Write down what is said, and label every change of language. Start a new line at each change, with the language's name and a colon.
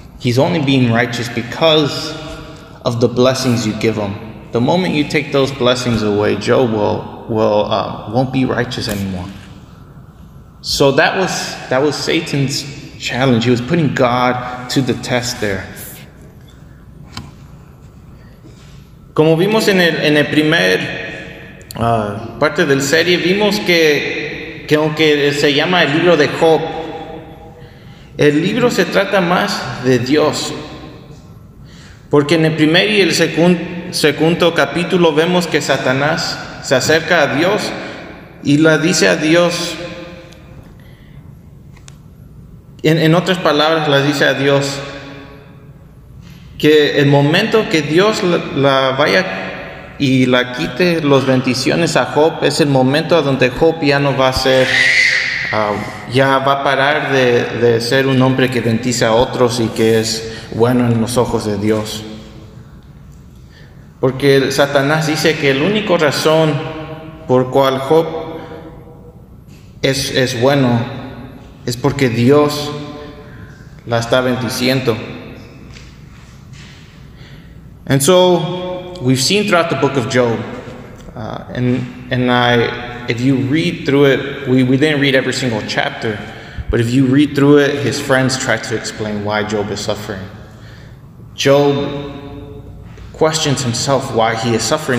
English: He's only being righteous because of the blessings you give him. The moment you take those blessings away, Job won't be righteous anymore. So that was Satan's challenge. He was putting God to the test there.
Spanish: Como vimos en el primer parte del serie, vimos que aunque se llama el libro de Job, el libro se trata más de Dios. Porque en el primer y el segundo capítulo vemos que Satanás se acerca a Dios y le dice a Dios, en otras palabras, le dice a Dios que el momento que Dios la vaya y la quite las bendiciones a Job es el momento donde Job ya no va a ser. Ya va a parar de ser un hombre que bendice a otros y que es bueno en los ojos de Dios. Porque Satanás dice que la única razón por cual Job es bueno es porque Dios la está bendiciendo.
English: And so, we've seen throughout the book of Job, if you read through it, we didn't read every single chapter, but if you read through it, his friends try to explain why Job is suffering. Job questions himself why he is suffering.